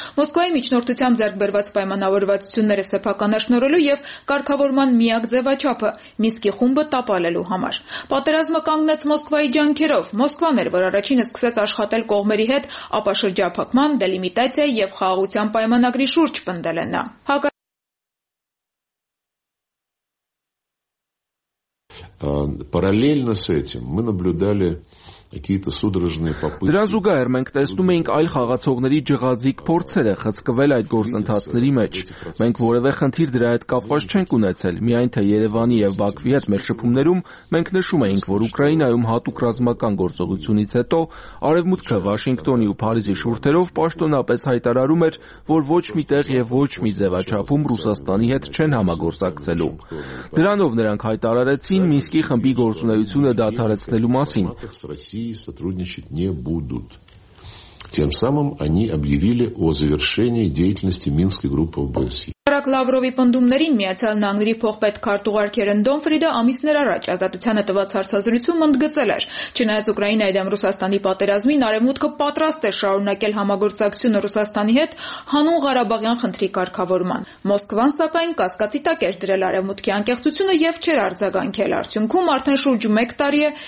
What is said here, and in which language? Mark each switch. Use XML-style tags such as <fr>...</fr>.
<hy>Մոսկվայի միջնորդությամբ ձեռքբերված պայմանավորվածությունները սեփականաշնորհելու եւ կարգավորման միակ ձևաչափը՝ Միսկի խումբը տապալելու համար։ Պատերազմը կանգնեց Մոսկվայի ջանքերով, Մոսկվան էր, որ առաջինը սկսեց աշխատել կողմերի հետ ապաշրջափակման, դելիմիտացիա եւ խաղաղության պայմանագրի շուրջ պնդել է նա։</hy> <ru>Параллельно с этим мы наблюдали какие-то судорожные попытки.</ru> <hy>Դրան զուգահեռ մենք տեսնում էինք այլ խաղացողների ջղաձիկ փորձերը խցկվել այդ գործընթացների մեջ։ Մենք որևէ խնդիր դրա հետ կապված չենք ունեցել, միայն թե Երևանի եւ Բաքվի հետ մեր շփումներում մենք նշում էինք, որ Ուկրաինայում հատուկ ռազմական գործողությունից հետո Արևմուտքը Վաշինգտոնի ու Փարիզի շուրթերով պաշտոնապես հայտարարում էր, որ ոչ մի տեղ եւ ոչ մի ձևաչափում Ռուսաստանի հետ չեն համագործակցելու։ Դրանով նրանք հայտարարեցին Մինսկի խմբի գործունեությունը դադարեցնելու մասին։</hy> <ru>России сотрудничать не будут. Тем самым они объявили о завершении деятельности Минской группы в ОБСЕ.</ru> <hy>Լավրովի պնդումներին Միացյալ Նահանգների փոխպետ քարտուղարքերեն Դոնֆրիդը ամիսներ առաջ ազատությանը տված հարցազրույցում ընդգծել էր, չնայած Ուկրաինայի դեմ Ռուսաստանի պատերազմին Արևմուտքը պատրաստ է շարունակել համագործակցությունը Ռուսաստանի հետ հանուն Ղարաբաղյան խնդրի կարգավորման։ Մոսկվան, սակայն, կասկածի տակ էր դրել Արևմուտքի անկեղծությունը եւ չէր արձագանքել արդյունքում, արդեն շուրջ 1 տարի է</hy>